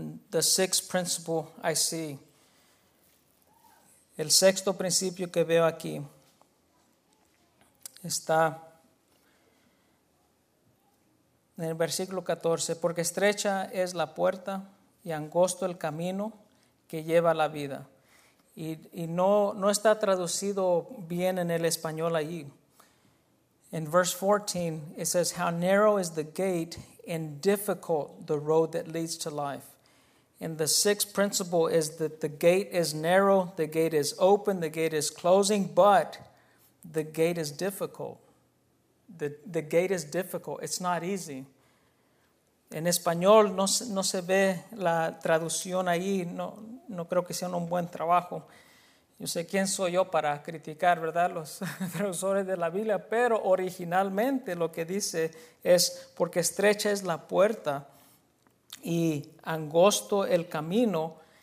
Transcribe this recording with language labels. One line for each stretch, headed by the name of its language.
English: The sixth principle I see.
Spanish: El sexto principio que veo aquí está en el versículo 14. Porque estrecha es la puerta y angosto el camino que lleva a la vida. Y no está traducido bien en el español allí.
English: In verse 14, it says, "How narrow is the gate and difficult the road that leads to life." And the sixth principle is that the gate is narrow, the gate is open, the gate is closing, but the gate is difficult. The gate is difficult. It's not easy.
Spanish: En español no se ve la traducción ahí. No creo que sea un buen trabajo. Yo sé quién soy yo para criticar, ¿verdad?, los traductores de la Biblia, pero originalmente lo que dice es porque estrecha es la puerta y angosto el camino.